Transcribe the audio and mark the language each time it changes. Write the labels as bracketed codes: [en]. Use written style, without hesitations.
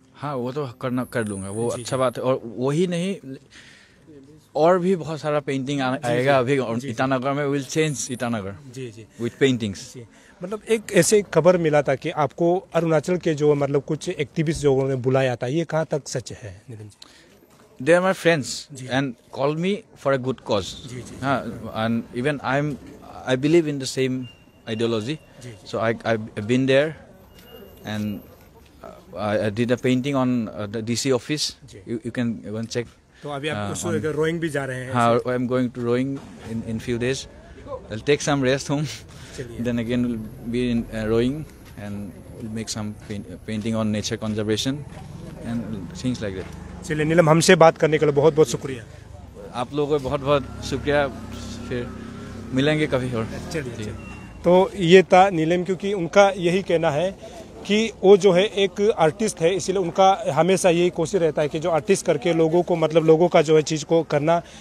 [hi] हाँ वो तो करना कर लूँगा वो अच्छा बात है और वही नहीं और भी बहुत सारा पेंटिंग आएगा अभी ईटानगर में [en] will change Itanagar [hi] ji ji [en] with paintings [hi] मतलब एक ऐसे खबर मिला था कि आपको अरुणाचल के जो मतलब कुछ एक्टिविस्ट लोगों ने बुलाया था ये कहाँ तक सच है Nitin ji [en] They are my friends and call me for a good cause. [hi] Ji ji [en] and even I believe in the same ideology. [hi] Ji ji [en] so I've been there and I did a painting on the DC office. You can check. [hi] तो अभी आप उसको अगर rowing भी जा रहे हैं? हाँ, [en] I am going to rowing in few days. I'll take some rest home. [hi] चलिए. [en] Then again we'll be in rowing and we'll make some painting on nature conservation and things like that. [hi] चलिए नीलम हमसे बात करने के लिए बहुत बहुत शुक्रिया आप लोगों का बहुत बहुत शुक्रिया फिर मिलेंगे कभी और चलिए तो ये था नीलम क्योंकि उनका यही कहना है कि वो जो है एक आर्टिस्ट है इसलिए उनका हमेशा यही कोशिश रहता है कि जो आर्टिस्ट करके लोगों को मतलब लोगों का जो है चीज़ को करना